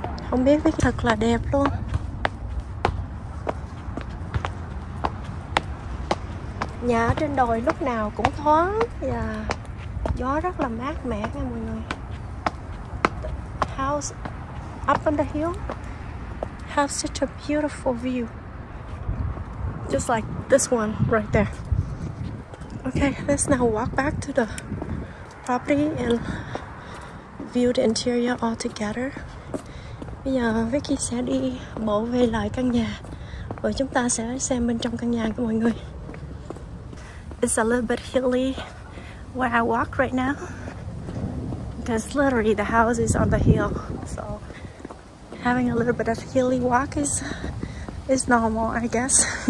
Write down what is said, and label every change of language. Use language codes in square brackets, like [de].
[vi] Không biết, biết thật là đẹp luôn. Nhà ở trên đồi lúc nào cũng thoáng và gió rất là mát mẻ nha mọi người. [en] The house up on the hill have such a beautiful view. Just like this one right there. Okay, let's now walk back to the property and view the interior all together. [vi] Bây giờ Vicky sẽ đi bộ về lại căn nhà và chúng ta sẽ xem bên trong căn nhà của mọi người. [en] It's a little bit hilly where I walk right now because literally the house is on the hill, so having a little bit of hilly walk is normal, I guess.